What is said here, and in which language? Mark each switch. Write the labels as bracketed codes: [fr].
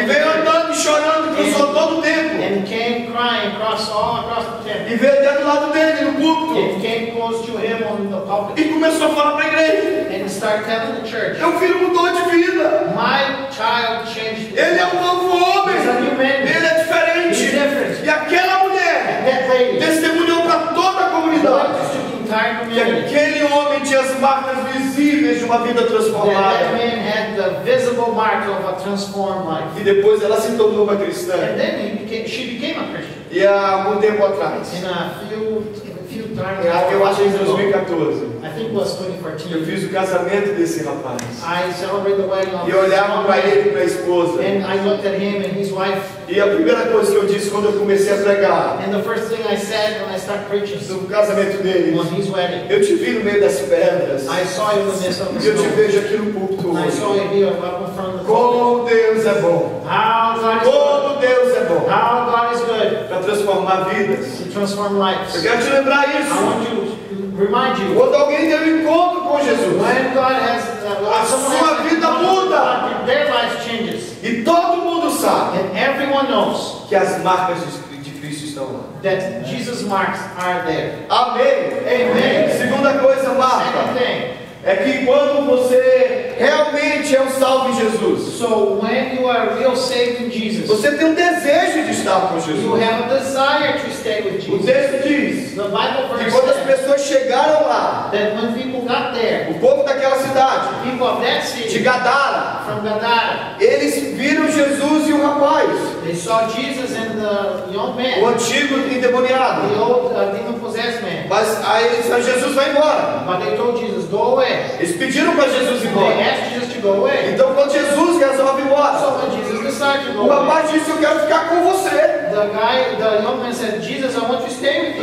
[pt] E veio andando chorando e cruzou todo o templo. [en] And came crying across all across the temple. [pt] E veio até do lado dele no púlpito. [en] And came close to him on the pulpit. [pt] E começou a falar para a igreja. [en] And started telling the church. [pt] Meu filho mudou de vida. [en] My child changed. [pt] Ele é um novo homem. [en] He's a new man. [pt] Ele é diferente. [en] He's different. [pt] E aquela mulher. [en] And that lady. [pt] Testemunhou para toda a comunidade. Que aquele homem tinha as marcas visíveis de uma vida transformada. [en] That man had the visible mark of a transformed life. [pt] E depois ela se tornou uma cristã. [en] And then she became a Christian. [pt] E há algum tempo atrás. [en] In a few time. [pt] Eu acho que em 2014. [en] I think it was 2014. [pt] Eu fiz o casamento desse rapaz. [en] I celebrated the wedding of. [pt] E olhava para ele e para a esposa. [en] And I looked at him and his wife. [pt] E a primeira coisa que eu disse quando eu comecei a pregar. [en] And the first thing I said when I started preaching. [pt] Sobre o casamento dele. [en] On his wedding. [pt] Eu te vi no meio das pedras. [en] I saw you in the midst of the. [pt] E eu te vejo aqui no púlpito. [en] I saw you here up in front of the. [pt] Como Deus é bom. [en] How God is. [pt] Como Deus é bom. [en] How God is good. [pt] Para transformar vidas. [en] To transform lives. [pt] Eu quero te lembrar isso. [en] I want you. Remind you. [pt] Quando alguém tem um encontro com Jesus, [en] when God has, [pt] a sua vida muda. [en] Their lives changes. [pt] E todo mundo sabe. [en] And everyone knows [pt] que as marcas de Cristo estão lá. [en] That Jesus marks are there. [pt] Amém. [en] Amen. [pt] Segunda coisa, marca. É que quando você realmente é um salvo em Jesus, [en] so when you are real saved in Jesus, [pt] você tem um desejo de estar com Jesus. [en] You have a desire to stay with Jesus. [pt] O texto diz. [en] The Bible verse. [pt] E quando as pessoas chegaram lá, [en] that when people got there, [pt] o povo daquela cidade, [en] people of that city, [pt] de Gadara, [en] from Gadara, [pt] eles viram Jesus e o rapaz. [en] They saw Jesus and the young man. [pt] O antigo endemoniado. [en] The old demon possessed man. [pt] Mas aí Jesus vai embora. [en] But they told Jesus, go away. [pt] Eles pediram para Jesus ir embora. [en] They asked Jesus to go away. [pt] Então quando Jesus resolve ir embora, [en] so when Jesus decided to go [pt] o rapaz disse, eu quero ficar com você. [en] The young man said, Jesus, I want you to stay with you.